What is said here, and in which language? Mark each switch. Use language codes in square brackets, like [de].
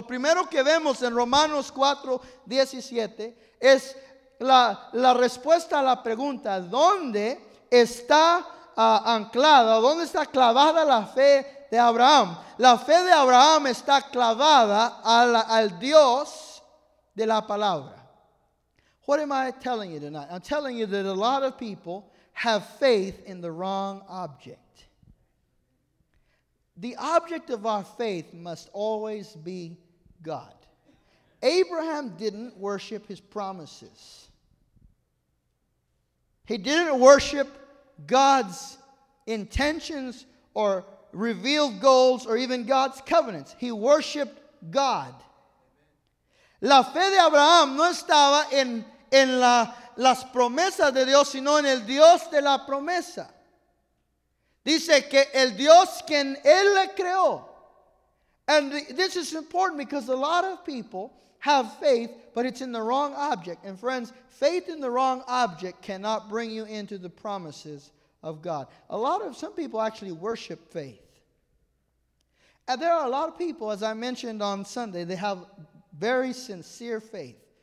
[es] Lo primero que vemos en Romanos 4, 17 es la respuesta a la pregunta, ¿dónde está anclada, dónde está clavada la fe de Abraham? La fe de Abraham está clavada al Dios de la palabra. [en] What am I telling you tonight? I'm telling you that a lot of people have faith in the wrong object. The object of our faith must always be God. Abraham didn't worship his promises. He didn't worship God's intentions or revealed goals or even God's covenants. He worshiped God. [es] La fe de Abraham no estaba en las promesas de Dios, sino en el Dios de la promesa. Dice que el Dios quien él le creó, [en] And this is important because a lot of people have faith, but it's in the wrong object. And friends, faith in the wrong object cannot bring you into the promises of God. Some people actually worship faith. And there are a lot of people, as I mentioned on Sunday, they have very sincere faith.